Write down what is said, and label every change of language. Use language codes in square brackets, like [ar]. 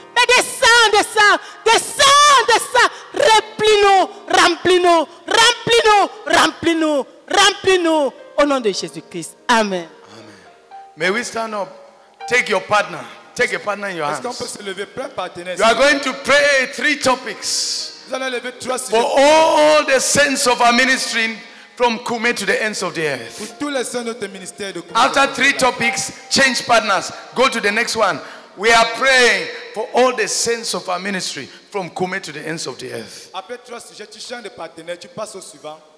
[fr] Mais descends, descends, descends, descends. Remplis-nous, remplis-nous, remplis-nous, remplis-nous, remplis-nous. Au nom de Jésus-Christ. Amen. [en] Amen. May we stand up. Take your partner. Take your partner in your hands. [fr] Est-ce qu'on peut se lever, prends un partenaire. [en] You are going to pray three topics. [fr] Vous allez lever trois sujets. [en] For all the saints of our ministry from Koumé to the ends of the earth. [fr] Pour tous les saints de notre ministère de Koumé. [en] After three topics, change partners. Go to the next one. We are praying for all the saints of our ministry from Koumé to the ends of the earth. [fr] Après trois sujets, tu changes de partenaire, tu passes au suivant.